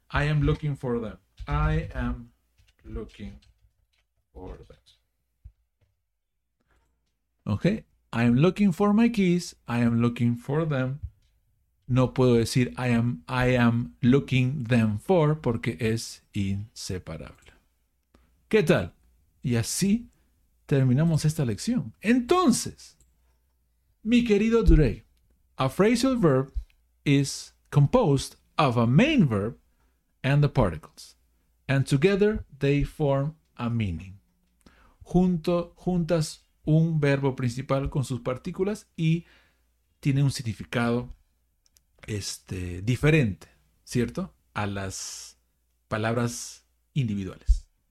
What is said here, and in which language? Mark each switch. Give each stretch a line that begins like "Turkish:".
English: I am looking for them. I am looking for them. Okay. I am looking for my keys. I am looking for them.
Spanish: No puedo decir
English: I am looking them for
Spanish: porque es inseparable. ¿Qué tal? Y así terminamos esta lección. Entonces, mi querido
English: Durey, a phrasal verb is composed of a main verb and the particles. And together they form a meaning.
Spanish: Juntas un verbo principal con sus partículas y tiene un significado diferente, ¿cierto? A las palabras individuales.